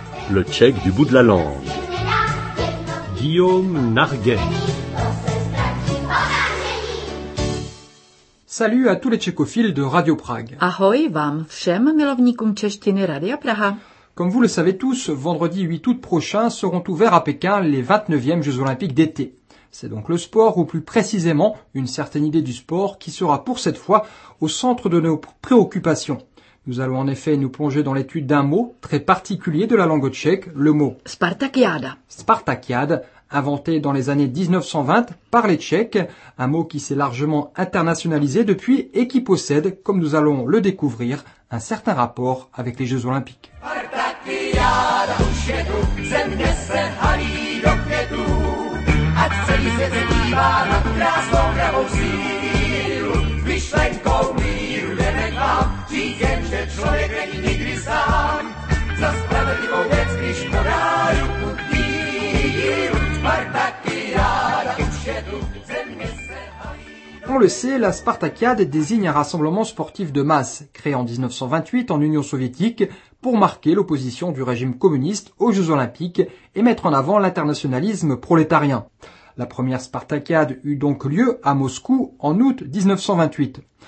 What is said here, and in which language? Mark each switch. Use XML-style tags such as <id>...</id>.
<fr>le tchèque du bout de la langue. Guillaume Narguet. Salut à tous les tchécophiles de Radio Prague.</fr> <cs>Ahoj vám všem milovníkům češtiny Radia Praha.</cs> <fr>Comme vous le savez tous, vendredi 8 août prochain seront ouverts à Pékin les 29e Jeux Olympiques d'été. C'est donc le sport, ou plus précisément, une certaine idée du sport qui sera pour cette fois au centre de nos préoccupations. Nous allons en effet nous plonger dans l'étude d'un mot très particulier de la langue tchèque, le mot Spartakiada. Spartakiada, inventé dans les années 1920 par les Tchèques, un mot qui s'est largement internationalisé depuis et qui possède, comme nous allons le découvrir, un certain rapport avec les Jeux Olympiques.</fr> <cs>Spartakiada, už je tu, země se halí do květu, ať celý svět se dívá na tu krásnou pravou sílu. Myšlenkou míru jdeme k vám, říct jen, že člověk není nikdy sám. Za spravedlivou věc, když podá ruku díru, Spartakiada, už je tu, země se halí.</cs> <fr>On le sait, la Spartakiade désigne un rassemblement sportif de masse, créé en 1928 en Union soviétique, pour marquer l'opposition du régime communiste aux Jeux Olympiques et mettre en avant l'internationalisme prolétarien. La première Spartakiade eut donc lieu à Moscou en août 1928.</fr>